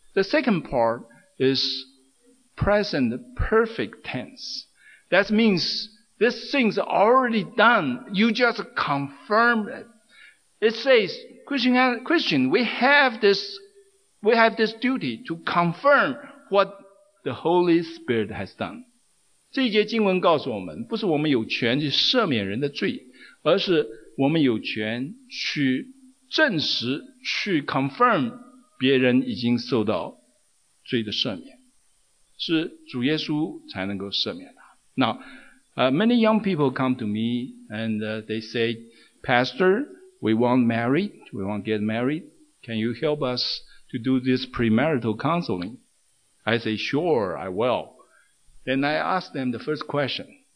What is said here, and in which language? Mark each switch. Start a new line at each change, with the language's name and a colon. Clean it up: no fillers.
English: The second part is present perfect tense. That means this thing's already done. You just confirmed it. It says, Christian, we have this duty to confirm what the Holy Spirit has done.
Chinese: 这一节经文告诉我们，不是我们有权去赦免人的罪，而是我们有权去证实，去 confirm 别人已经受到罪的赦免，是主耶稣才能够赦免他。
English: Now, many young people come to me and they say, Pastor, we want married, we want to get married. Can you help us to do this premarital counseling? I say, sure, I will. Then I ask them the first question.